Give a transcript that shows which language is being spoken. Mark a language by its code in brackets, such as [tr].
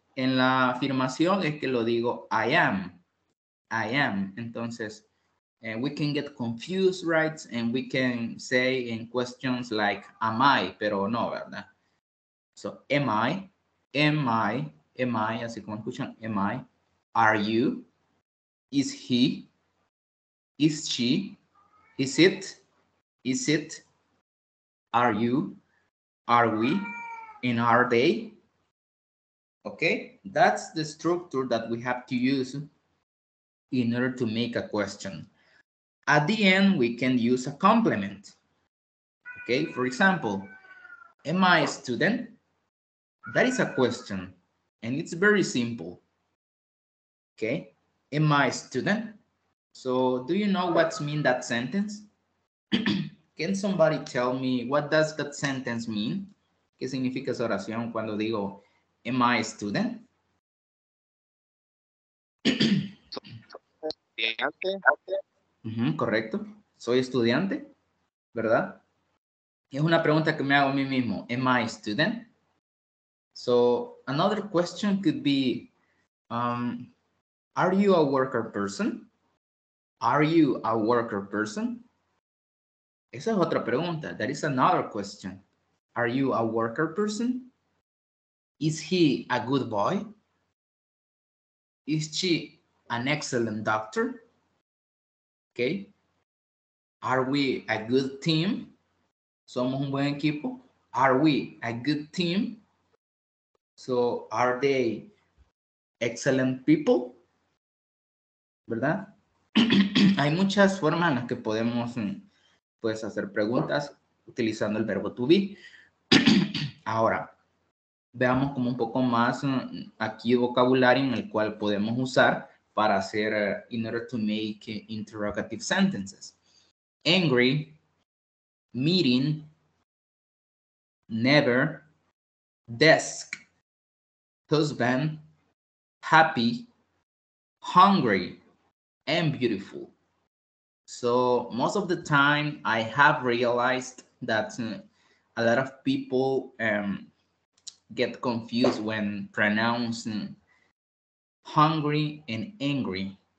[es] En la afirmación es que lo digo [en] I am. I am. Entonces, we can get confused, right? And we can say in questions like, am I? [es] Pero no, ¿verdad? [en] So, am I? Am I, am I, [es] así como escuchan, [en] am I, are you, is he, is she, is it, are you, are we, and are they? Okay, that's the structure that we have to use in order to make a question. At the end, we can use a complement. Okay, for example, am I a student? That is a question, and it's very simple. Okay, am I a student? So do you know what's mean that sentence? Can somebody tell me what does that sentence mean? [es] ¿Qué significa esa oración cuando digo, [en] am I a student? [es] Estudiante. Uh-huh, correcto, soy estudiante, ¿verdad? Es una pregunta que me hago a mí mismo, [en] am I a student? So another question could be, are you a worker person? Are you a worker person? [es] Esa es otra pregunta. [en] That is another question. Are you a worker person? Is he a good boy? Is she an excellent doctor? Okay. Are we a good team? [es] Somos un buen equipo. [en] Are we a good team? So, are they excellent people? ¿Verdad? [es] hay muchas formas en las que podemos pues hacer preguntas utilizando el verbo to be. Ahora, veamos como un poco más aquí vocabulario en el cual podemos usar para hacer, [en] in order to make interrogative sentences. Angry, meeting, never, desk, husband, happy, hungry, and beautiful. So most of the time I have realized that a lot of people get confused when pronouncing hungry and angry.